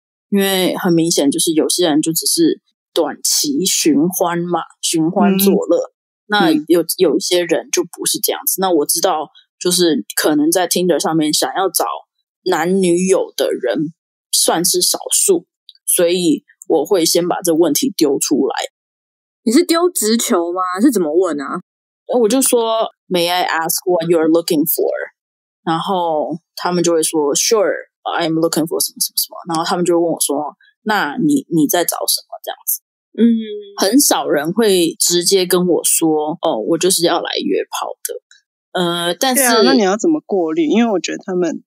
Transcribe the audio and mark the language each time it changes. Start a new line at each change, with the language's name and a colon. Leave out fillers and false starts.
Chinese: 因为很明显，就是有些人就只是短期寻欢嘛，寻欢作乐。那有一些人就不是这样子。那我知道，就是可能在 Tinder 上面想要找男女友的人算是少数，所以我会先把这问题丢出来。你是丢直球吗？是怎么问啊？我就说
English: ，May I ask what you are looking for？
Chinese: 然后他们就会说 ，
English: Sure， I'm looking for
Chinese: 什么什么什么。然后他们就问我说，那你在找什么这样子。很少人会直接跟我说，哦，我就是要来约炮的。但是对啊，那你要怎么过滤？因为我觉得他们